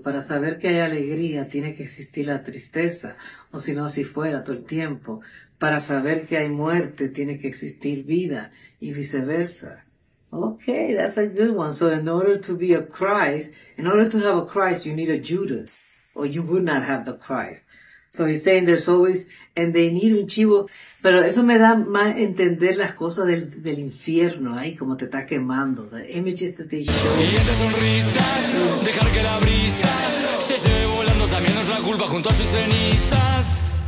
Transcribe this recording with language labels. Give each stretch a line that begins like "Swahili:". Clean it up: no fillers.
Spanish: Para saber que hay alegría, tiene que existir la tristeza, o si no, si fuera todo el tiempo. Para saber que hay muerte, tiene que existir vida, y viceversa.
English: Okay, that's a good one. So in order to be a Christ, in order to have a Christ, you need a Judas, or you would not have the Christ. So he's saying there's always, and they need
Spanish: un chivo. Pero eso me da más entender las cosas del infierno, ahí, ¿eh? Como te está quemando.
English: The images that they show.
Spanish: Y esas sonrisas, dejar que la brisa se lleve volando, también nuestra culpa junto a sus cenizas.